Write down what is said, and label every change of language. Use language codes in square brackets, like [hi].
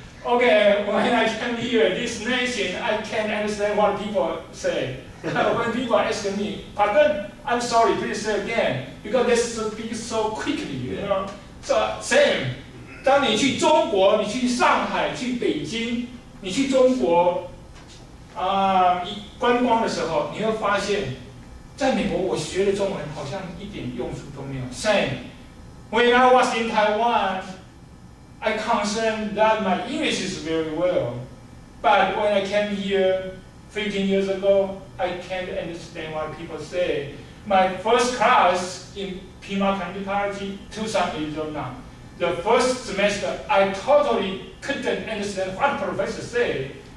[en] Okay, when I come here, this nation, I can't understand what people say. When people ask me, pardon, I'm sorry, please say again, because they speak so quickly, you know. [zh] So, Sam, 当你去中国，你去上海，去北京，你去中国，观光的时候，你会发现，在美国我学的中文好像一点用处都没有。 [en] Sam, when I was in Taiwan,I concerned that my English is very well, but when I came here 15 years ago, I can't understand what people say. My first class in Pima County College, Tucson, Arizona, the first semester, I totally couldn't understand what professor said.